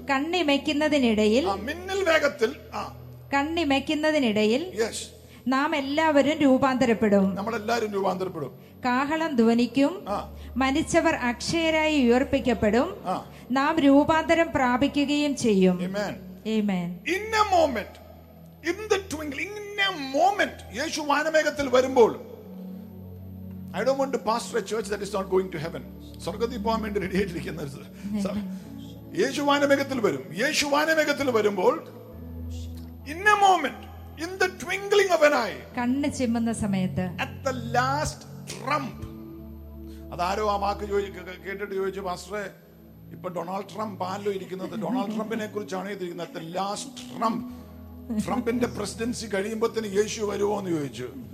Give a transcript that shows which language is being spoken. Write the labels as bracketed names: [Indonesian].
[Malayalam] കണ്ണിമയ്ക്കുന്നതിനിടയിൽ. മിന്നൽ വേഗത്തിൽ. കണ്ണിമയ്ക്കുന്നതിനിടയിൽ. [English] Yes. [Malayalam] നാം എല്ലാവരും രൂപാന്തരപ്പെടും. നമ്മളെല്ലാവരും രൂപാന്തരപ്പെടും. കാഹളം ധ്വനിക്കും. മരിച്ചവർ അക്ഷയരായി ഉയർപ്പിക്കപ്പെടും. നാം രൂപാന്തരം പ്രാപിക്കുകയും ചെയ്യും. [English] Amen. Amen. In a moment, in the twinkling, in a moment, [Malayalam] Yeshu vanamegathil varumbol. [English] I don't want to pastor a church that is not going to heaven. [Malayalam] സ്വർഗത്തിൽ പോകാൻ വേണ്ടി റെഡി ആയിട്ടിരിക്കുന്ന ഒരു യേശുവാനമേഘത്തിൽ വരും. യേശുവാനമേഘത്തിൽ വരുമ്പോൾ [English] in a moment, in the twinkling of an eye, [Malayalam] കണ്ണ് ചിമ്മുന്ന സമയത്ത്, [English] at the last trump, [Malayalam] അതാരോ ആ വാക്ക് കേട്ടിട്ട് ചോദിച്ചു, പാസ്റ്ററെ ഇപ്പൊ ഡൊണാൾഡ് ട്രംപ് ആണല്ലോ ഇരിക്കുന്നത്, ഡൊണാൾഡ് ട്രംപിനെ കുറിച്ചാണ് ഇരിക്കുന്നത്, at the last trump, ട്രംപിന്റെ പ്രസിഡൻസി കഴിയുമ്പോത്തിന് യേശു വരുമോ എന്ന് ചോദിച്ചു.